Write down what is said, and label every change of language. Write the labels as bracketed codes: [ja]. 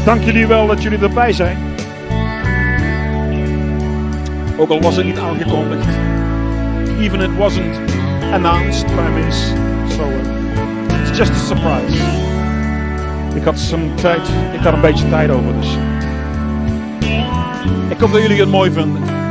[nl] Dank jullie wel dat jullie erbij zijn. Ook al was het niet aangekondigd. [en] Even it wasn't announced by me. So it's just a surprise. [nl] Ik had een beetje tijd over dus. Ik hoop dat jullie het mooi vinden.